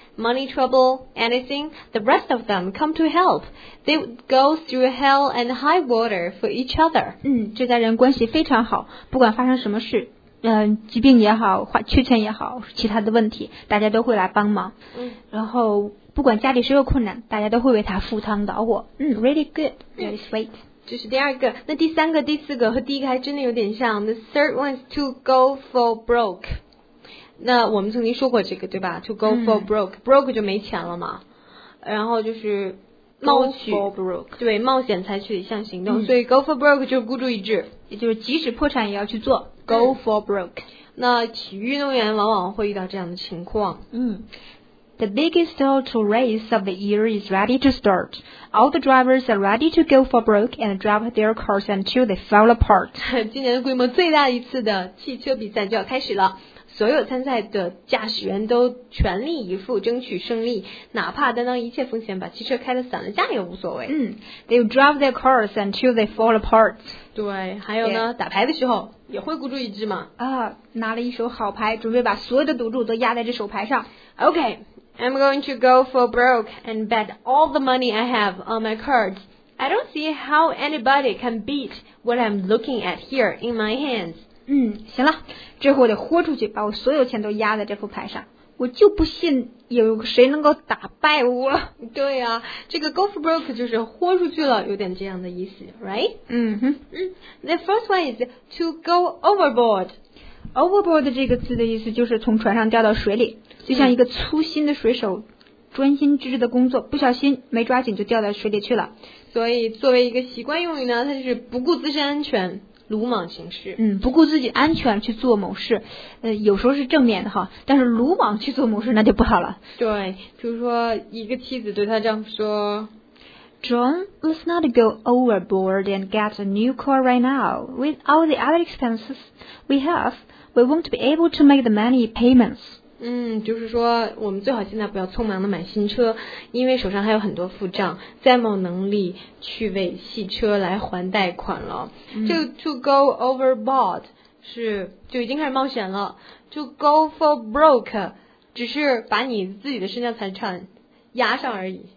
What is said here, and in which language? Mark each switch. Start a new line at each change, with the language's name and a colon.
English: Money trouble, anything, the rest of them come to help. They go through hell and high water for each other.
Chinese: 这家人关系非常好，不管发生什么事，疾病也好，缺钱也好，其他的问题，大家都会来帮忙。然后不管家里谁有困难，大家都会为他赴汤蹈火。
English: Really good, really sweet.
Chinese: 这是第二个，那第三个、第四个和第一个还真的有点像。
English: The third one is to go for broke.
Chinese: 那我们曾经说过这个对吧
English: to go for broke、嗯、
Chinese: broke 就没钱了嘛，然后就是冒取
English: go for broke
Chinese: 对冒险采取一项行动、嗯、所以
English: go for broke
Chinese: 就是孤注一掷，也就是即使破产也要去做
English: go for broke。
Chinese: 那体育运动员往往会遇到这样的情况。
English: 嗯，The biggest auto race of the year is ready to start. All the drivers are ready to go for broke and drive their cars until they fall apart.
Chinese: 今年规模最大一次的汽车比赛就要开始了，所有参赛的驾驶员都全力以赴争取胜利，哪怕担当一切风险把汽车开得散了架也无所谓。
English: 嗯 ，They'll drive their cars until they fall apart.
Chinese: 对，还有呢，打牌的时候也会孤注一掷嘛。啊，拿了一手好牌，准备把所有的赌注都压在这手牌上。
English: OK。 I'm going to go for broke and bet all the money I have on my cards. I don't see how anybody can beat what I'm looking at here in my hands.
Chinese: 嗯，行了，这回我得豁出去，把我所有钱都压在这副牌上。我就不信有谁能够打败我。对啊，这个
English: go for broke
Chinese: 就是豁出去了，有点这样的意思 ，
English: right? 嗯哼。嗯 ，The first one is to go overboard.
Chinese: Overboard 这个字的意思就是从船上掉到水里，就像一个粗心的水手专心致志的工作，不小心没抓紧就掉到水里去了。所以作为一个习惯用语呢，它就是不顾自身安全，鲁莽行事。嗯，不顾自己安全去做某事，有时候是正面的哈，但是鲁莽去做某事那就不好了。对，比如说一个妻子对她丈夫说
English: John, let's not go overboard and get a new car right now. With all the other expenses we haveWe won't be able to make the money payments.
Chinese: 嗯，就是说我们最好现在不要匆忙的买新车，因为手上还有很多付账，再没有能力去为汽车来还贷款了。这、嗯、个
English: to go overboard
Chinese: 是就已经开始冒险了，
English: to go for broke
Chinese: 只是把你自己的身家财产压上而已，